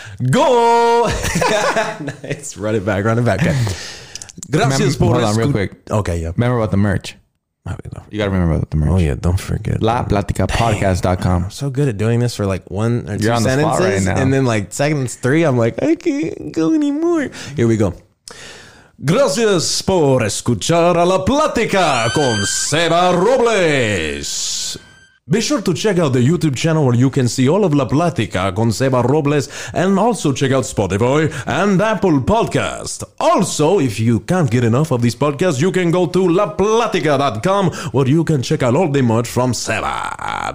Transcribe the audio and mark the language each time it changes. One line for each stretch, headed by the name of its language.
English: Go! Nice. Run it back. Okay. Gracias por hold on real quick. Okay, yeah. Remember about the merch. You got to remember about the merch. Oh, yeah. Don't forget. LaPlaticaPodcast.com. I'm so good at doing this for like one or two sentences. You're on the spot right now. And then like seconds three, I'm like, I can't go anymore. Here we go.
Spanish: Gracias por escuchar a la plática con Seba Robles.
English: Be sure to check out the YouTube channel where you can see all of La Plática con Seba Robles, and also check out Spotify and Apple Podcast. Also, if you can't get enough of this podcast, you can go to laplatica.com where you can check out all the merch from Seba.